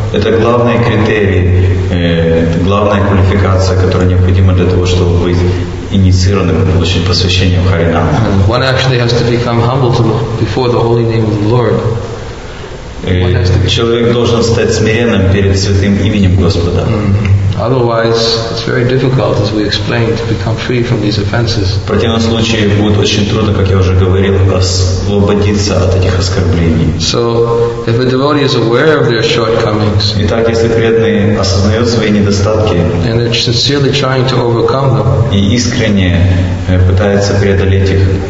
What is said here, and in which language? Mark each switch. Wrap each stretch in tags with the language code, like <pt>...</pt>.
<ru>Это главный критерий, главная квалификация, которая необходима для того, чтобы быть инициированным, получить посвящение в Харинам.</ru> <en>One actually has to become humble before the holy name of the Lord.</en> <ru>Человек должен стать смиренным перед святым именем Господа.</ru> <en>Otherwise, it's very difficult, as we explained, to become free from these offenses.</en> <ru>В противном случае будет очень трудно, как я уже говорил, освободиться от этих оскорблений.</ru> <en>So, if a devotee is aware of their shortcomings,</en> <ru>итак, если преданный осознает свои недостатки,</ru> <en>and they're sincerely trying to overcome them,</en> <ru>и искренне пытается преодолеть их,</ru>